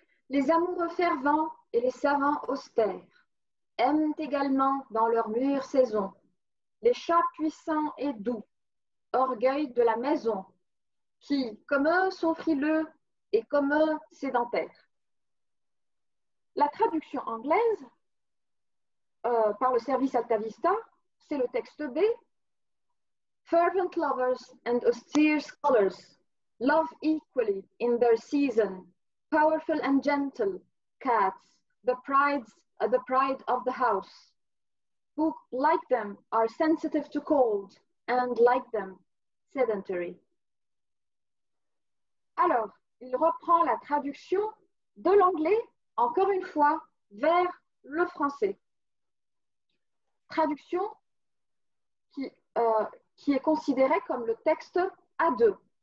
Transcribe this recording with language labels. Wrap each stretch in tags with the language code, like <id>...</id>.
<fr>Les amoureux fervents et les savants austères aiment également dans leur mûre saison les chats puissants et doux, orgueil de la maison, qui, comme eux, sont frileux et comme eux, sédentaires. La traduction anglaise par le service AltaVista, c'est le texte B.</fr> <en>Fervent lovers and austere scholars love equally in their season, powerful and gentle cats, the pride of the house, who, like them, are sensitive to cold, and like them, sedentary.</en> <fr>Alors, il reprend la traduction de l'anglais, encore une fois, vers le français. Traduction qui est considérée comme le texte A2.</fr>